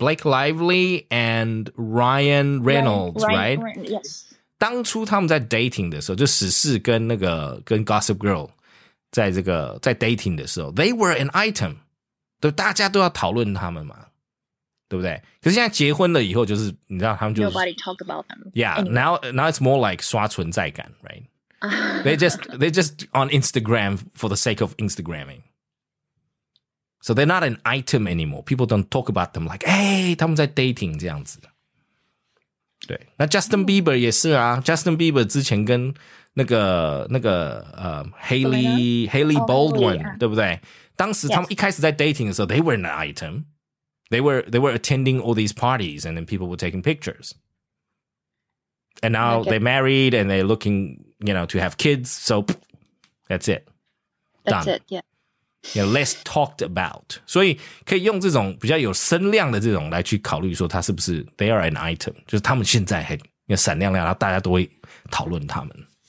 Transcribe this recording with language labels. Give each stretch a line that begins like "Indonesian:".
English: Blake Lively and Ryan Reynolds, right? Yes.
Chinese: 当初他们在 dating 的时候，就十四跟那个跟 Gossip Girl 在这个在 dating 的时候，
English: they were an item，
Chinese: 对，大家都要讨论他们嘛，对不对？可是现在结婚了以后，就是你知道他们就
English: nobody talk about them. Yeah. Now it's more like
Chinese: 刷存在感,
English: right? They just on Instagram for the sake of Instagramming. So they're not an item anymore. People don't talk about them like, hey,
Chinese: 他们在dating这样子。对, 那Justin Bieber也是啊, Justin Bieber之前跟那个,
English: Hailey Baldwin, yeah.
Chinese: 对不对? 当时他们一开始在dating的时候,
English: they were an item. They were attending all these parties, and then people were taking pictures. And now they're married, and they're looking, you know, to have kids. So that's it. Done. That's it, yeah. You know, less talked about.
Chinese: 所以可以用这种比较有声量的这种来去考虑说它是不是
English: they are an item.
Chinese: 就是他们现在很闪亮亮，然后大家都会讨论他们。